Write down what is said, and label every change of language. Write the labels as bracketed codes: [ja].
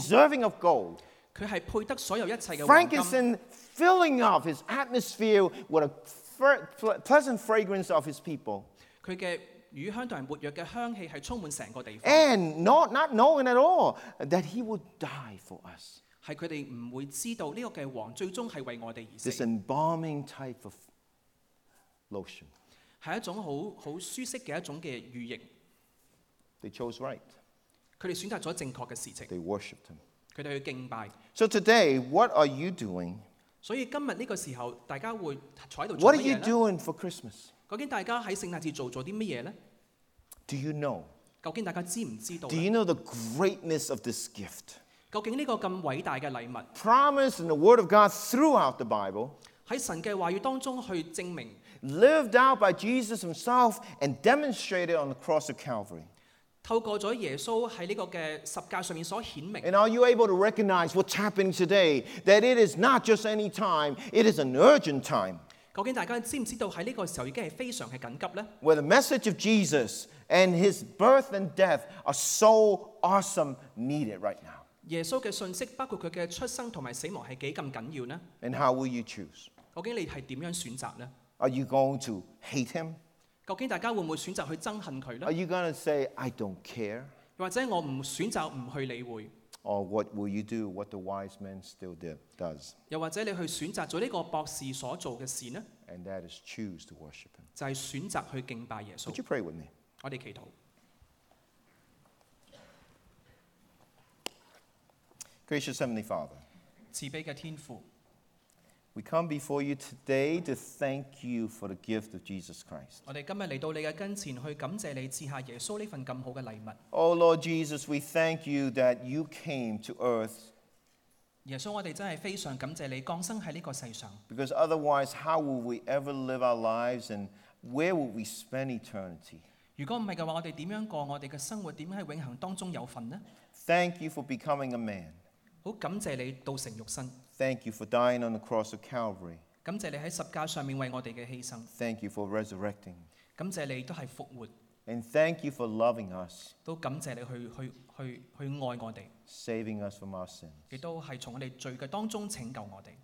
[en] Deserving of gold. [zh] 佢係配得所有一切嘅。 [en] Frankincense filling up his atmosphere with a pleasant fragrance of his people. [zh] 佢嘅乳香同埋沫藥嘅香氣係充滿成個地方。 [en] And not knowing at all that he would die for us. [zh] 係佢哋唔會知道呢個嘅王最終係為我哋而死。 [en] This embalming type of lotion. [zh] 係一種好舒適嘅一種嘅乳液。 [en] They chose right. [zh] 佢哋選擇咗正確嘅事情。 [en] They worshipped him. [zh] 佢哋去敬拜。 [en] So today, what are you doing? [zh] 所以今日呢個時候，大家會坐喺度做乜嘢咧 [en] ？What are you doing for Christmas? [zh] 究竟大家喺聖誕節做咗啲乜嘢咧 [en] ？Do you know? [zh] 究竟大家知唔知道 [en] ？Do you know the greatness of this gift? [zh] 究竟呢個咁偉大嘅禮物 [en] ？Promise in the Word of God throughout the Bible. [zh] 喺神嘅話語當中去證明。 [en] Lived out by Jesus Himself and demonstrated on the cross of Calvary. [zh] 透過咗耶穌喺呢個嘅十架上面所顯明。 [en] And are you able to recognize what's happening today? That it is not just any time; it is an urgent time. [zh] 究竟大家知唔知道喺呢個時候已經係非常嘅緊急咧 [en] ？Where the message of Jesus and His birth and death are so awesome needed right now. [zh] 耶穌嘅信息包括佢嘅出生同埋死亡係幾咁緊要呢 [en] ？And how will you choose? [zh] 究竟你係點樣選擇咧 [en] ？Are you going to hate Him? [zh] 究竟大家會唔會選擇去憎恨佢咧 [en] ？Are you going to say I don't care？ [zh] 或者我唔選擇唔去理會 [en] ？Or what will you do what the wise man still did does？ [zh] 又或者你去選擇做呢個博士所做嘅事呢 [en] ？And that is choose to worship him。 [zh] 就係選擇去敬拜耶穌。 [en] Would you pray with me？ [zh] 我哋祈禱。 [en] Gracious Heavenly Father， [zh] 慈悲嘅天父。 [en] We come before you today to thank you for the gift of Jesus Christ. [zh] 我哋今日嚟到你嘅跟前去感謝你賜下耶穌呢份咁好嘅禮物。 [en] Oh Lord Jesus, we thank you that you came to earth. [zh] 耶穌，我哋真係非常感謝你降生喺呢個世上。 [en] Because otherwise, how will we ever live our lives, and where will we spend eternity? [zh] 如果唔係嘅話，我哋點樣過我哋嘅生活？點喺永恆當中有份呢 [en] ？Thank you for becoming a man. [zh] 好感謝你道成肉身。 [en] Thank you for dying on the cross of Calvary. [zh] 感謝你喺十架上面為我哋嘅犧牲。 [en] Thank you for resurrecting. [zh] 感謝你都係復活。 [en] And thank you for loving us. [zh] 都感謝你去愛我哋。 [en] Saving us from our sins. [zh] 亦都係從我哋罪嘅當中拯救我哋。